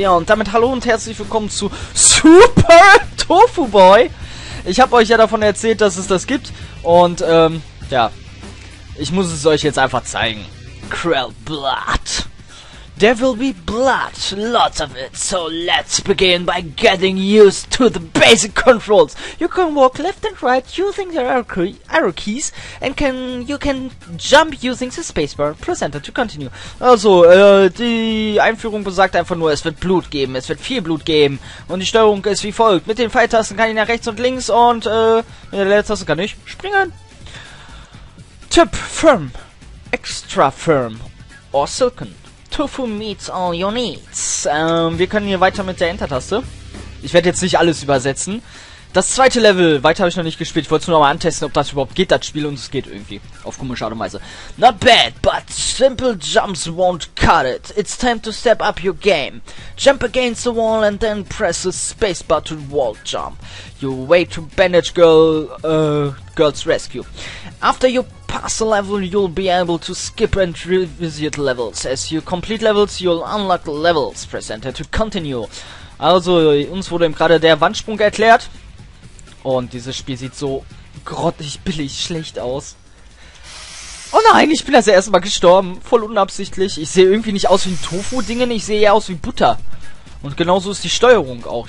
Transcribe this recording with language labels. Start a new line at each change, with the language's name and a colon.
German: Ja, und damit hallo und herzlich willkommen zu Super Tofu Boy. Ich habe euch ja davon erzählt, dass es das gibt. Und, ja, ich muss es euch jetzt einfach zeigen.
English: Krell Blood. There will be blood, lots of it. So let's begin by getting used to the basic controls. You can walk left and right using your arrow keys, and you can jump using the spacebar. Press enter to continue.
German: Also, die Einführung besagt einfach nur, es wird Blut geben, es wird viel Blut geben. Und die Steuerung ist wie folgt: Mit den Pfeiltasten kann ich nach rechts und links, und mit der Leertaste kann ich springen.
English: Tip: Firm, extra firm, or silken. Tofu meets all your needs.
German: Wir können hier weiter mit der Enter-Taste. Ich werde jetzt nicht alles übersetzen. Das zweite Level, weiter habe ich noch nicht gespielt. Ich wollte es nur nochmal antesten, ob das überhaupt geht, das Spiel. Und es geht irgendwie. Auf komische Art und Weise.
English: Not bad, but simple jumps won't cut it. It's time to step up your game. Jump against the wall and then press the spacebar to wall jump. You wait to bandage girl, girl's rescue. After you pass a level, you'll be able to skip and revisit levels. As you complete levels, you'll unlock levels. Press enter to continue.
German: Also, uns wurde eben gerade der Wandsprung erklärt. Und dieses Spiel sieht so grottig, billig, schlecht aus. Oh nein, ich bin also erstmal gestorben. Voll unabsichtlich. Ich sehe irgendwie nicht aus wie ein Tofu-Dingen. Ich sehe eher aus wie Butter. Und genauso ist die Steuerung auch.